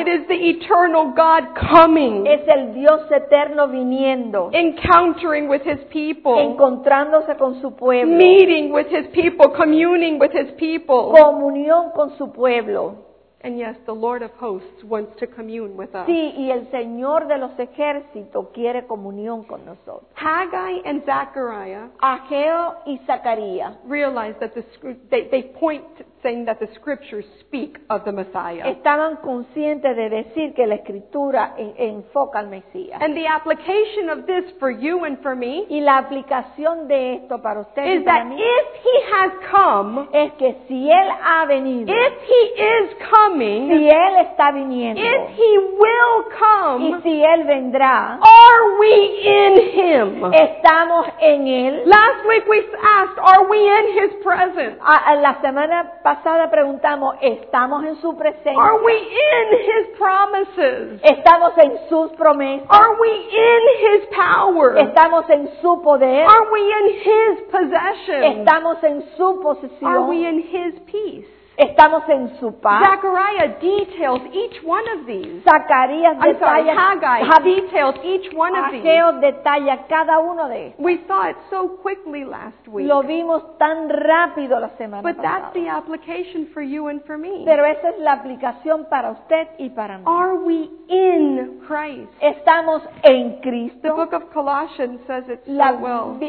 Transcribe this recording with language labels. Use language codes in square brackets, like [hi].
[en] It is the eternal God coming. [es] Es el Dios eterno viniendo. [en] Encountering with his people. [es] Encontrándose con su pueblo. [en] Meeting with his people, communing with his people. [es] Comunión con su pueblo. [en] And yes, the Lord of hosts wants to commune with us. [es] Sí, y el Señor de los ejércitos quiere comunión con nosotros. [en] Haggai and Zechariah, [es] Ageo y Zacarías, [en] realized that they point saying that the scriptures speak of the Messiah. [es] Estaban conscientes de decir que la escritura enfoca al Mesías. [en] And the application of this for you and for me, [es] y la aplicación de esto para usted y para mí, [en] is that if he has come, [es] es que si él ha venido, [en] if he is coming, [es] si él está viniendo, [en] if he will come, [es] y si él vendrá, [en] are we in him? [es] Estamos en él. [en] Last week we asked, are we in his presence? [es] La semana pasada preguntamos, ¿estamos en su presencia? [en] Are we in his promises? [es] ¿Estamos en sus promesas? [en] Are we in his power? [es] ¿Estamos en su poder? [en] Are we in his possession? [es] ¿Estamos en su posesión? [en] Are we in his peace? [es] Estamos en su paz. [en] Zechariah details each one of these. [es] Zacarías detalla, [en] Haggai details each one of these. [es] Ageo detalla cada uno de estos. [en] We saw it so quickly last week. [es] Lo vimos tan rápido la semana [en] but [es] pasada. [en] But that's the application for you and for me. [es] Pero esa es la aplicación para usted y para mí. [en] Are we in Christ? [es] ¿Estamos en Cristo? [en] The book of Colossians says it so well.